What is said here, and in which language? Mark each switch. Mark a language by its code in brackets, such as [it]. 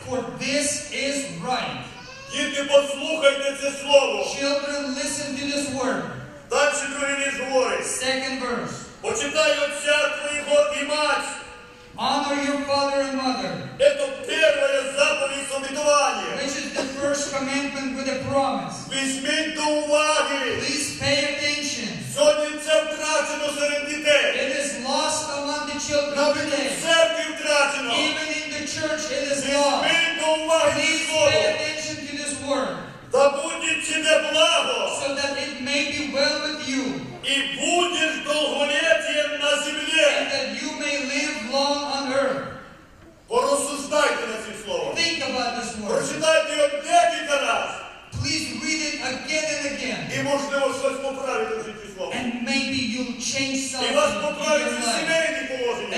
[en] For this is right. [uk] Діти, послухайте це слово. [en] Children, listen to this word. [uk] Дальше другий вірш говорить. [en] Second verse. [uk] Почитай отця твоєго і мать. [en] Honor your father and mother. [uk] Це перша заповідь з обітуванням. [en] Which is the first commandment with a promise. [uk] Візьміть до уваги. [en] Please pay attention. [uk] Сьогодні це втрачено серед дітей. [en] It is lost among the children today. [uk] Навіть в церкві втрачено. [en] Even in the church it is lost. [uk] Візьміть до уваги. [en] Please pay attention to this word. [uk] тебе благо. [en] So that it may be well with you. [uk] И будешь долголетием на земле. [en] And that you may live long on earth. [uk] Порозсуждайте на ці слова. [en] Think about this word. [uk] Прочитайте його декілька разів. [en] Please read it again and again. [uk] І можливо щось поправити в житті слова. [en] And maybe you'll change something. [uk] І вас поправити в сімейні положення.